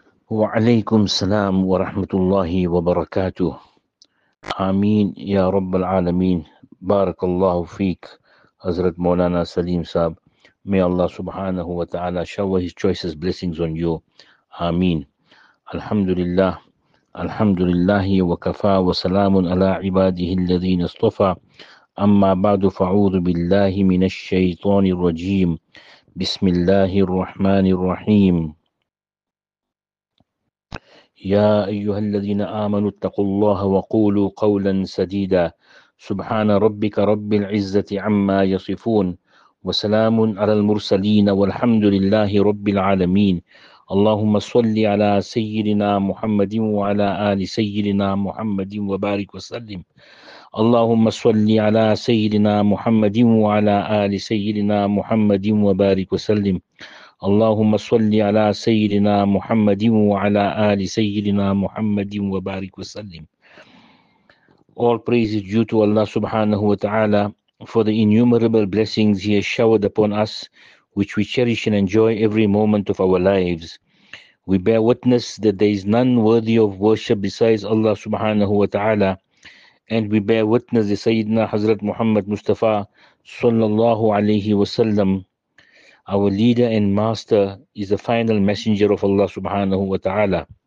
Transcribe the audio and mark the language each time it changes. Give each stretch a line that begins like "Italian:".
Arabic: وعليكم السلام ورحمة الله وبركاته. آمين يا رب العالمين. بارك الله فيك حضرت مولانا سليم صاحب.
English: May Allah subhanahu wa ta'ala shower his choicest blessings on you.
Arabic: آمين. الحمد لله. الحمد لله وكفى وسلام على عباده الذين اصطفى. أما بعد فأعوذ بالله من الشيطان الرجيم. بسم الله الرحمن الرحيم. يا أيها الذين آمنوا اتقوا الله وقولوا قولا سديدا. سبحان ربك رب العزة عما يصفون وسلام على المرسلين والحمد لله رب العالمين. اللهم صل على سيدنا محمد وعلى آل سيدنا محمد وبارك وسلم. اللهم صل على سيدنا محمد وعلى آل سيدنا محمد وبارك وسلم. اللهم صل على سيدنا محمد وعلى آل سيدنا محمد وبارك وسلم.
English: All praise is due to Allah subhanahu wa ta'ala for the innumerable blessings He has showered upon us, which we cherish and enjoy every moment of our lives. We bear witness that there is none worthy of worship besides Allah subhanahu wa ta'ala, and we bear witness that Sayyidina Hazrat Muhammad Mustafa sallallahu alayhi wa sallam, our leader and master, is the final messenger of Allah subhanahu wa ta'ala.